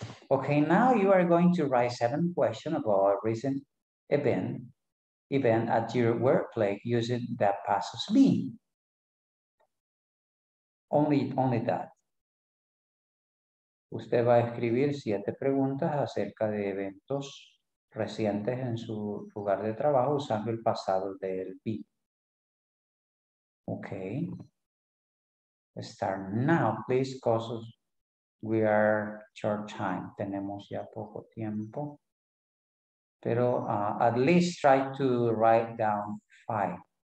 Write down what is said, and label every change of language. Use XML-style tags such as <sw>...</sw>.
<en>Okay, now you are going to write 7 questions about a recent event at your workplace using that passes me. Only that.</en> <es>Usted va a escribir 7 preguntas acerca de eventos recientes en su lugar de trabajo usando el pasado del be.</es> <en>Okay. Start now, please, because we are short time.</en> <es>Tenemos ya poco tiempo. Pero</es> <en>at least try to write down 5.</en>